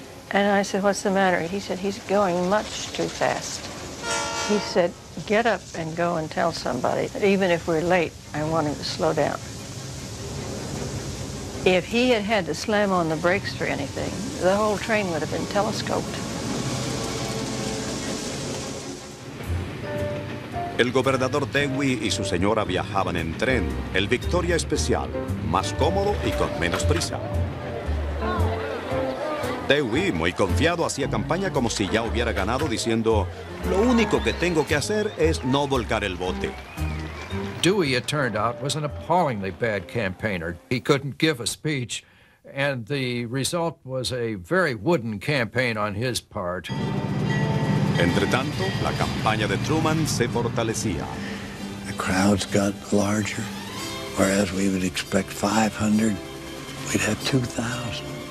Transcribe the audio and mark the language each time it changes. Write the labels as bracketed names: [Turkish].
[English] And I said, what's the matter? He said, he's going much too fast. He said, get up and go and tell somebody that even if we're late, I want him to slow down. If he had had to slam on the brakes for anything, the whole train would have been telescoped. [Spanish] El gobernador Dewey y su señora viajaban en tren, el Victoria Especial, más cómodo y con menos prisa. Dewey, muy confiado, hacía campaña como si ya hubiera ganado, diciendo, lo único que tengo que hacer es no volcar el bote. [English] Dewey, it turned out, was an appallingly bad campaigner. He couldn't give a speech, and the result was a very wooden campaign on his part. [Spanish] Entretanto, la campaña de Truman se fortalecía. [English] The crowds got larger, whereas we would expect 500, we'd have 2,000.